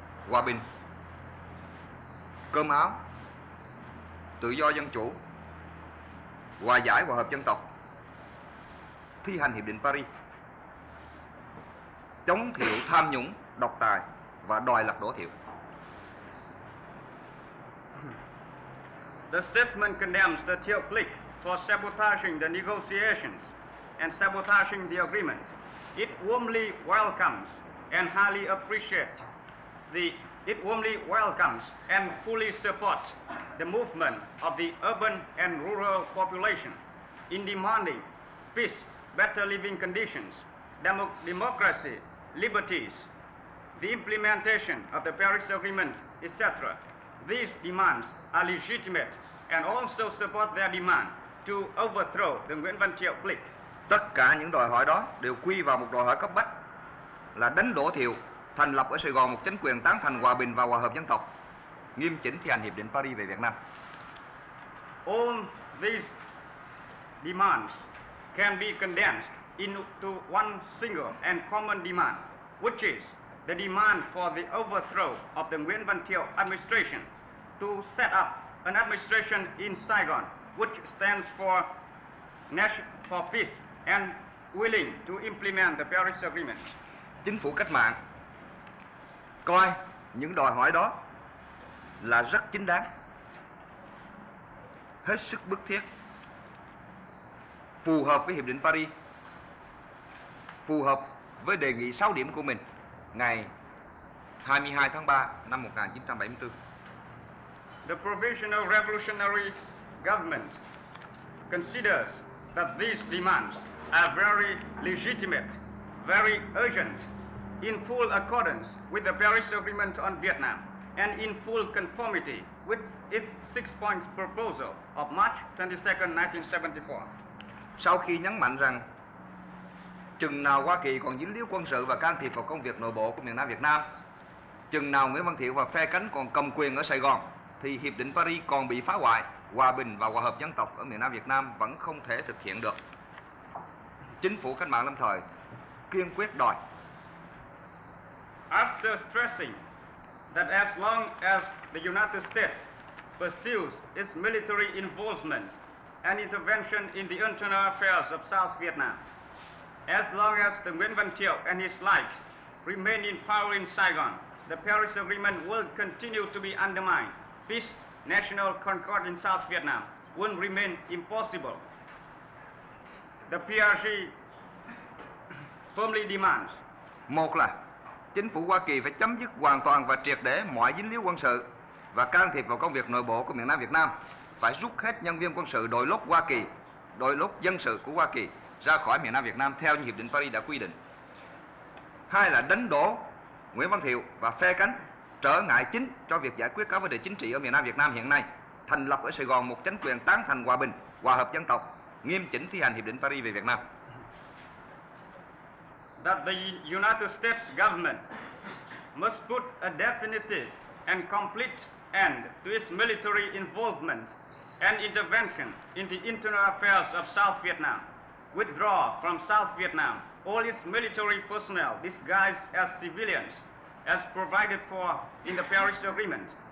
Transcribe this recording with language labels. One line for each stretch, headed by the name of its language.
Vietnamese: hòa bình, cơm áo, tự do dân chủ, hòa giải và hợp dân tộc, thi hành Hiệp định Paris, chống Thiệu tham nhũng, độc tài và đòi lật đổ Thiệu.
English: The statement condemns the Thiệu clique for sabotaging the negotiations and sabotaging the agreement. It warmly welcomes and highly appreciates the It warmly welcomes and fully supports the movement of the urban and rural population in demanding peace, better living conditions, democracy, liberties, the implementation of the Paris Agreement, etc. These demands are legitimate and also support their demand to overthrow the Nguyễn Văn Thiệu clique.
Vietnamese: Tất cả những đòi hỏi đó đều quy vào một đòi hỏi cấp bách là đánh đổ Thiệu, thành lập ở Sài Gòn một chính quyền tán thành hòa bình và hòa hợp dân tộc, nghiêm chỉnh thi hành Hiệp định Paris về Việt Nam.
English: All these demands can be condensed into one single and common demand, which is the demand for the overthrow of the Nguyễn Văn Thiệu administration to set up an administration in Saigon, which stands for for peace and willing to implement the Paris Agreement.
Vietnamese: Chính phủ cách mạng coi những đòi hỏi đó là rất chính đáng, hết sức bức thiết, phù hợp với Hiệp định Paris, phù hợp với đề nghị 6 điểm của mình ngày 22 tháng 3 năm 1974.
English: The Provisional Revolutionary Government considers that these demands are very legitimate, very urgent, in full accordance with the Paris Agreement on Vietnam and in full conformity with its six points proposal of March 22, 1974.
Vietnamese: Sau khi nhấn mạnh rằng chừng nào Hoa Kỳ còn dính líu quân sự và can thiệp vào công việc nội bộ của miền Nam Việt Nam, chừng nào Nguyễn Văn Thiệu và phe cánh còn cầm quyền ở Sài Gòn, thì Hiệp định Paris còn bị phá hoại, hòa bình và hòa hợp dân tộc ở miền Nam Việt Nam vẫn không thể thực hiện được. Chính phủ cách mạng lâm thời kiên quyết đòi.
English: After stressing that as long as the United States pursues its military involvement and intervention in the internal affairs of South Vietnam, as long as the Nguyễn Văn Thiệu and his like remain in power in Saigon, the Paris Agreement will continue to be undermined. Peace, national concord in South Vietnam will remain impossible. The PRG firmly demands.
Vietnamese: Một là chính phủ Hoa Kỳ phải chấm dứt hoàn toàn và triệt để mọi dính líu quân sự và can thiệp vào công việc nội bộ của miền Nam Việt Nam, phải rút hết nhân viên quân sự đội lốt Hoa Kỳ, đội lốt dân sự của Hoa Kỳ ra khỏi miền Nam Việt Nam theo như Hiệp định Paris đã quy định. Hai là đánh đổ Nguyễn Văn Thiệu và phe cánh, trở ngại chính cho việc giải quyết các vấn đề chính trị ở miền Nam Việt Nam hiện nay, thành lập ở Sài Gòn một chính quyền tán thành hòa bình, hòa hợp dân tộc, nghiêm chỉnh thi hành Hiệp định Paris về Việt Nam.
English: That the United States government must put a definitive and complete end to its military involvement and intervention in the internal affairs of South Vietnam. Withdraw from South Vietnam all its military personnel disguised as civilians, as provided for in the Paris Agreement.